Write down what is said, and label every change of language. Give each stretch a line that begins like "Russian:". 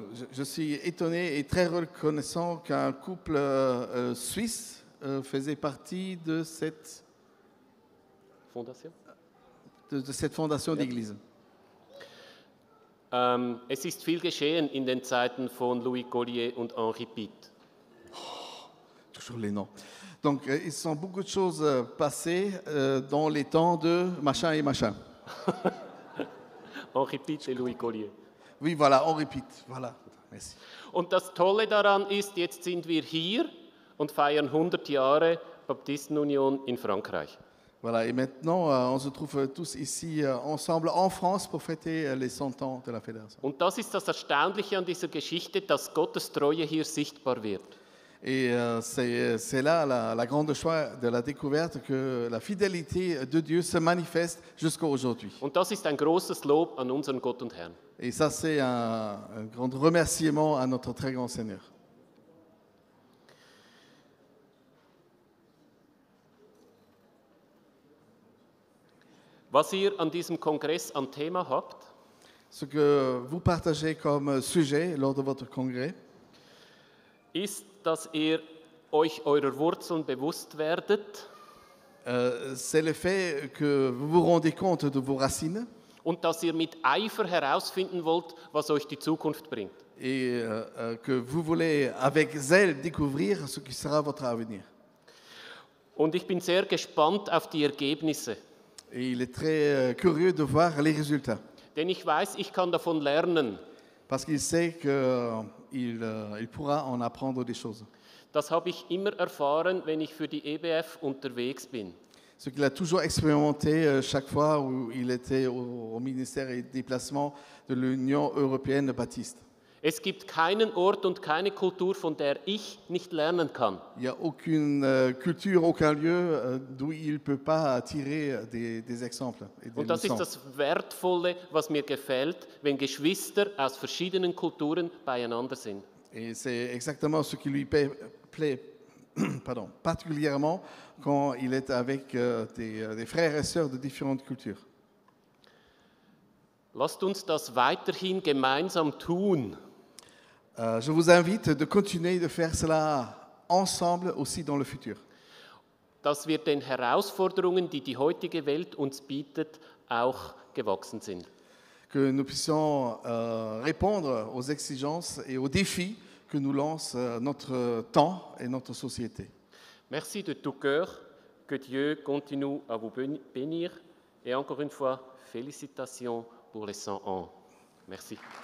French: Je suis étonné et très reconnaissant qu'un couple suisse faisait partie de cette fondation. De cette fondation, yep, d'église.
German: Es ist viel geschehen in den Zeiten von Louis Collier und Henri Pitt. Oh,
French: toujours les noms. Donc, il se sont beaucoup de choses passées dans les temps de machin et machin. Henri Pitt et Louis Collier. Oui, voilà, Henri Pitt, voilà. Merci.
German: Und das Tolle daran ist, jetzt sind wir hier und feiern 100 Jahre Baptistenunion in Frankreich.
French: Voilà, et maintenant, on se trouve tous ici ensemble en France pour fêter les 100 ans de la Fédération.
German: Und das ist das Erstaunliche an dieser Geschichte, dass Gottes Treue hier sichtbar wird.
French: Et c'est là la grande joie de la découverte que la fidélité de Dieu se manifeste jusqu'à aujourd'hui.
German: Und das ist ein großes Lob an unseren Gott und Herrn.
French: Et ça, c'est un grand remerciement à notre très grand Seigneur.
German: Was ihr an diesem Kongress an Thema habt,
French: ce que vous partagez comme sujet lors de votre congrès,
German: ist, dass ihr euch eurer Wurzeln bewusst werdet.
French: C'est le fait que vous vous rendez compte de vos racines.
German: Und dass ihr mit Eifer herausfinden wollt, was euch die Zukunft bringt.
French: Et que vous voulez avec zèle découvrir ce qui sera votre avenir.
German: Und ich bin sehr gespannt auf die Ergebnisse.
French: Et il est très curieux de voir les résultats.
German: Denn ich weiß, ich kann davon lernen.
French: Parce qu'il sait qu'il il pourra en apprendre des choses.
German: Das habe ich immer erfahren, wenn ich für die EBF unterwegs bin.
French: Ce qu'il a toujours expérimenté chaque fois où il était au ministère des déplacements de l'Union européenne baptiste.
German: Es gibt keinen Ort und keine Kultur, von der ich nicht lernen kann.
French: Il n'y a aucune culture, aucun lieu d'où il ne peut pas tirer des exemples. Et des
German: und das
French: leçons.
German: Ist das Wertvolle, was mir gefällt, wenn Geschwister aus verschiedenen Kulturen beieinander sind.
French: Et c'est exactement ce qui lui plaît particulièrement quand il est avec des frères et sœurs de différentes cultures.
German: Lasst uns das weiterhin gemeinsam tun.
French: Je vous invite de continuer de faire cela ensemble aussi dans le futur.
German: Dass wir den Herausforderungen, die die heutige Welt uns bietet, auch gewachsen sind.
French: Que nous puissions répondre aux exigences et aux défis que nous lance notre temps et notre société. Merci de tout cœur, que Dieu continue à vous bénir et encore une fois, félicitations pour les 100 ans. Merci.